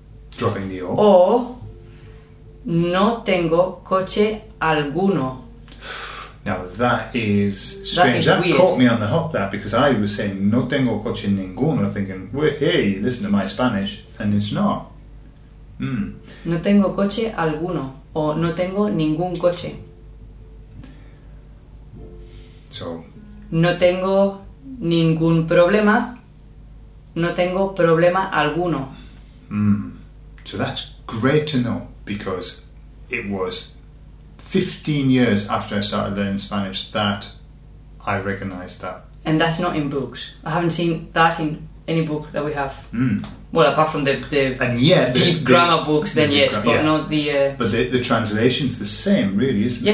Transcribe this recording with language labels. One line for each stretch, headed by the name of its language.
English: Dropping the O.
Spanish: O, no tengo coche alguno.
English: Now that is strange. That is weird. Caught me on the hop, that, because I was saying
Spanish: no tengo coche ninguno,
English: thinking, well, hey, listen to my Spanish, and it's not.
Spanish: No tengo coche alguno, o no tengo ningún coche.
English: So,
Spanish: no tengo ningún problema, no tengo problema alguno.
English: So that's great to know, because it was 15 years after I started learning Spanish that I recognized that. And that's not in books. I haven't seen that in any book that we have. Well, apart from the translation's the same, really, isn't it?